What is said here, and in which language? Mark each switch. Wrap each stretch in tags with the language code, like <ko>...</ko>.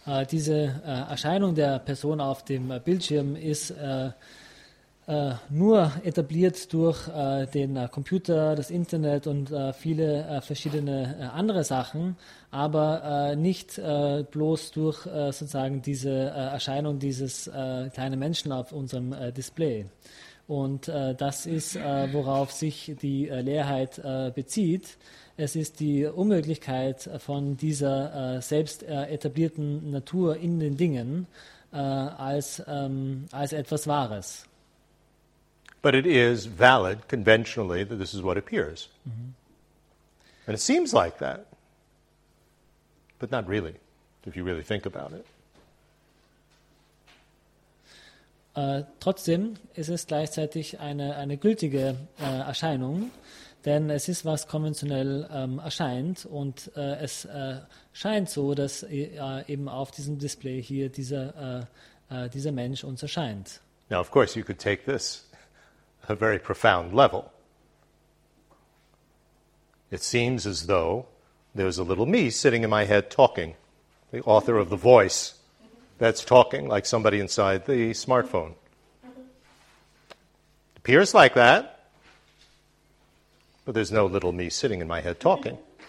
<de>Diese Erscheinung der Person auf dem Bildschirm ist nur etabliert durch den Computer, das Internet und viele verschiedene andere Sachen, aber nicht bloß durch sozusagen diese Erscheinung dieses kleinen Menschen auf unserem Display. Und das ist, worauf sich die Leerheit bezieht. Es ist die Unmöglichkeit von dieser selbst etablierten Natur in den Dingen als etwas Wahres.</de> <en>But it is valid conventionally that this is what appears. Mm-hmm. And it seems like that. But not really, if you really think about it.</en> <de>Trotzdem ist es gleichzeitig eine gültige Erscheinung, denn es ist, was konventionell erscheint und es scheint so, dass eben auf diesem Display hier dieser Mensch uns erscheint.</de> <en>Now, of course, you could take this a very profound level. It seems as though there's a little me sitting in my head talking, the author of the voice that's talking, like somebody inside the smartphone. It appears like that, but there's no little me sitting in my head talking.</en>